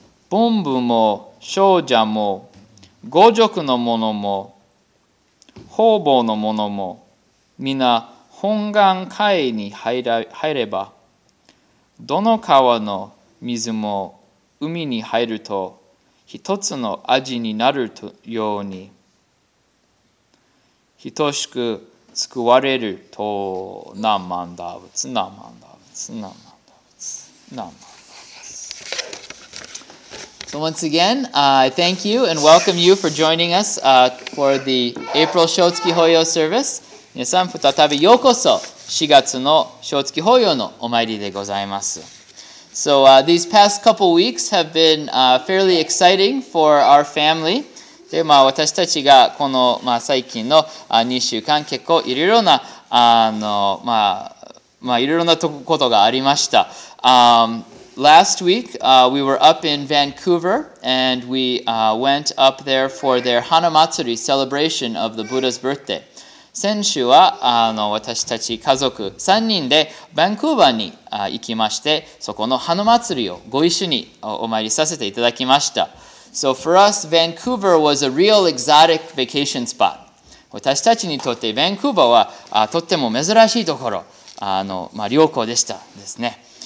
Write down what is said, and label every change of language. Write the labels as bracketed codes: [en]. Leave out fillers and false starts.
[ja] Bonbu mo, shōja mo, gojoku no mono mo, hōbō no mono mo, mina hongan kai ni haireba, どの川の水も海に入ると一つの味になるように等しく救われるとナマンダブツナマンダブツナマンダブツナマンダブツ。 [en] So once again, I thank you and welcome you for joining us for the April Shōtsuki Hōyō service. [ja] 皆さん、再びようこそ4月の正月法要のお参りでございます。 [en] So, these past couple weeks have been, fairly exciting for our family. [ja] で、まあ、私たちがこの、まあ、最近の、2週間結構いろいろな、まあ、まあ、いろいろなことがありました。 [en] Last week, we were up in Vancouver and we, went up there for their Hanamatsuri celebration of the Buddha's birthday. [ja] 先週は私たち家族3人でバンクーバーに行きまして、そこのハヌ祭りをご一緒にお参りさせていただきました。 [en] So for us, Vancouver was a real exotic vacation spot. [ja] 私たちにとってバンクーバーはとっても珍しいところ、まあ、旅行でしたですね。